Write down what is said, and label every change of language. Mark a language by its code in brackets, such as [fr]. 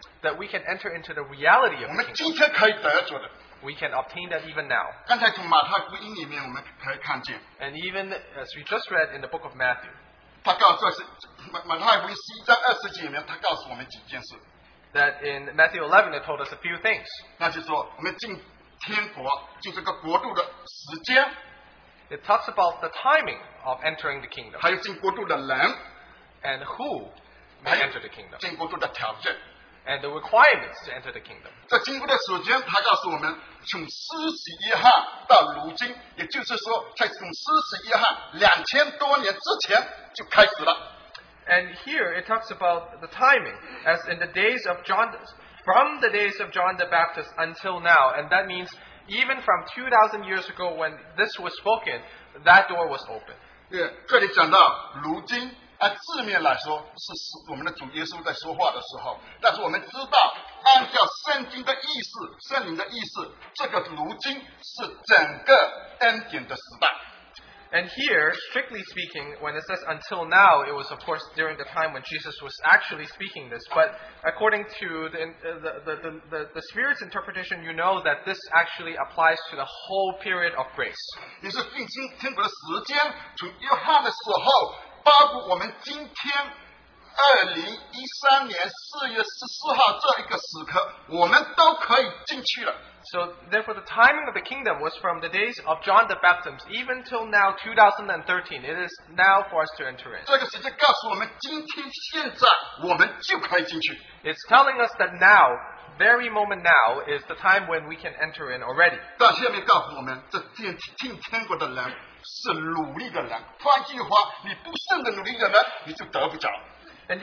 [en] that we can enter into the reality of the kingdom. We can obtain that even now. And even as we just read in the book of Matthew, [zh] 他告诉马太福音11章20节里面，他告诉我们几件事。 [en] That in Matthew 11, it told us a few things. [zh] 那就是说,我们进天国,进这个国度的时间, [en] it talks about the timing of entering the kingdom. [zh] 还有进国度的人, [en] and who may enter the kingdom. [zh] 经过的条件, [en] and the requirements to enter the kingdom. [zh] 在经过的时间,他告诉我们,从施洗约翰到如今,也就是说,在从施洗约翰,2000多年之前就开始了。And [en] here it talks about the timing, as in the days of John, from the days of John the Baptist until now, and that means even from 2000 years ago when this was spoken, that door was open. [zh] Yeah, 这里讲到如今, 字面来说是我们的主耶稣在说话的时候，但是我们知道，按照圣经的意思，圣灵的意思，这个如今是整个恩典的时代。And [en] here, strictly speaking, when it says until now, it was of course during the time when Jesus was actually speaking this. But according to the Spirit's interpretation, you know that this actually applies to the whole period of grace. [zh] 你是定睛天国的时间，从约翰的时候。 [en] So therefore the timing of the kingdom was from the days of John the Baptist even till now 2013. It is now for us to enter in. [zh] 这个时间告诉我们今天现在我们就可以进去。 [en] It's telling us that now, very moment now, is the time when we can enter in already. [zh] 但下面告诉我们这进天国的人 是努力的人，换句话，你不是个努力的人，你就得不着。And